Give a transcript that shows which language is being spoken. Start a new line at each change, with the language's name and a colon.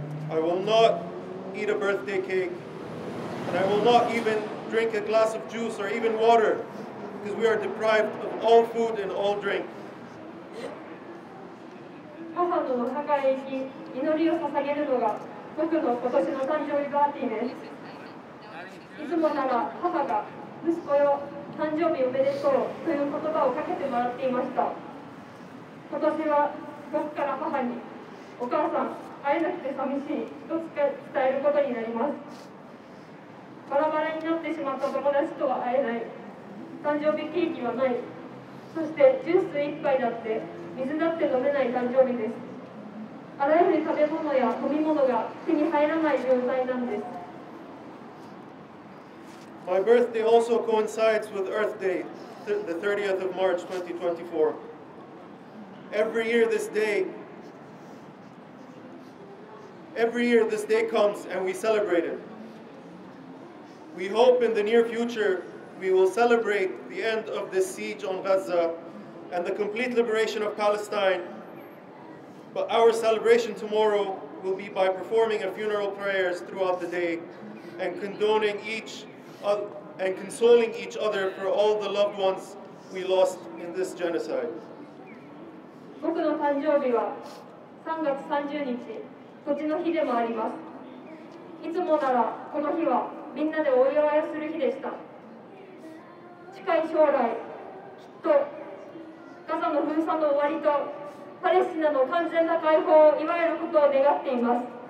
English: I will not eat a birthday cake, and I will not even drink a glass of juice or even water. Because we are deprived of all food and all drink.
Japanese: 母のお墓へ行き、祈りを捧げるのが僕の今年の誕生日パーティーです。いつもなら母が息子よ、誕生日おめでとうという言葉をかけてもらっていました。今年は僕から母に、お母さん、会えなくて寂しいと伝えることになります。バラバラになってしまった友達とは会えない。誕生日ケーキはない。そしてジュース一杯だって水だって飲めない誕生日です。あらゆる食べ物や飲み物が手に入らない状態なんです。
English: My birthday also coincides with Earth Day, the 30th of March 2024. Every year this day comes and we celebrate it. We hope in the near future. We will celebrate the end of this siege on Gaza and the complete liberation of Palestine. But our celebration tomorrow will be by performing a funeral prayers throughout the day and consoling each other for all the loved ones we lost in this genocide.
Japanese: 僕の誕生日は3月30日、土地の日でもあります。いつもならこの日はみんなでお祝いする日でした。近い将来、きっとガザの封鎖の終わりとパレスチナの完全な解放を祝えることを願っています。